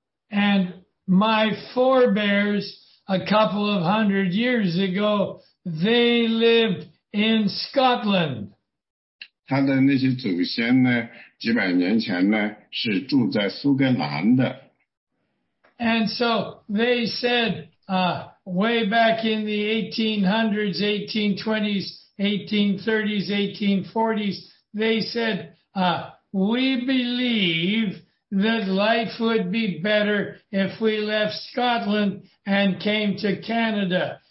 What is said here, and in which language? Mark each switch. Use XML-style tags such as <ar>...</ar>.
<en>And my forebears, a couple of hundred years ago, they lived in Scotland.</en> <zh>他的那些祖先呢，几百年前呢，是住在苏格兰的。</zh> <en>And so they said, way back in the 1800s, 1820s, 1830s, 1840s, they said, we believe that life would be better if we left Scotland and came to Canada.</en>